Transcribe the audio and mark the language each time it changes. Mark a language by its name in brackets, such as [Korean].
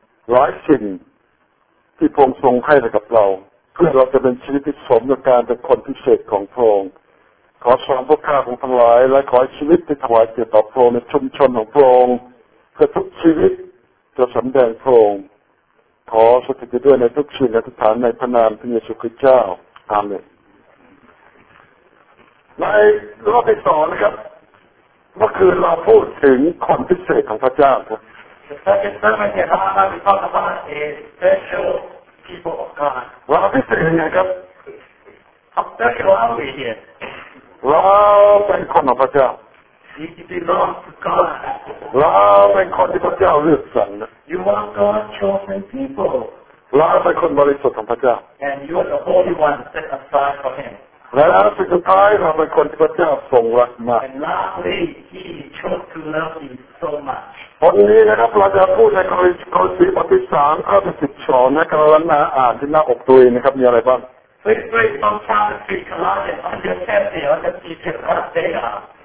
[Thai] หลายสิ่งที่พระองค์ทรงให้กับเราเพื่อเราจะเป็นชีวิตที่สมกับการเป็นคนพิเศษของพระองค์ขอสอนพวกข้าของทั้งหลายและขอชีวิตที่ถวายเกียรติต่อพระองค์ในชุมชนของพระองค์เพื่อทุกชีวิตจะสำแดงพระองค์ขอสถิตด้วยในทุกชีวิตและสถานในพระนามพระเยซูคริสต์เจ้าอาเมนในรอบที่สองนะครับเมื่อคืนเราพูดถึงคนพิเศษของพระเจ้าครับ [English] The second sermon we talked about is special people of God เ [Thai] ราพิเศษยังไงครับ [English] How special are we here [Thai] เราเป็นคนของพระเจ้า [English] You belong to God. [Thai] เราเป็นคนที่พระเจ้าเลือกสรร [English] You are God's chosen people. [Thai] เราเป็นคนบริสุทธิ์ของพระเจ้า [English] And you are the holy one set aside for Him. [Thai] และสุดท้ายเราเป็นคนที่พระเจ้าทรงรักมาก [English] And lastly, He chose to love you so much. [Thai] วันนี้นะครับเราจะพูดในคริสต์คริสต์บทที่สามข้อที่สิบสองนะครับแล้วนะอ่านที่หน้าอกตัวเองนะครับมีอะไรบ้าง [English] Please read from chapter 3, Colossians, on your chapter, on the teacher, what they are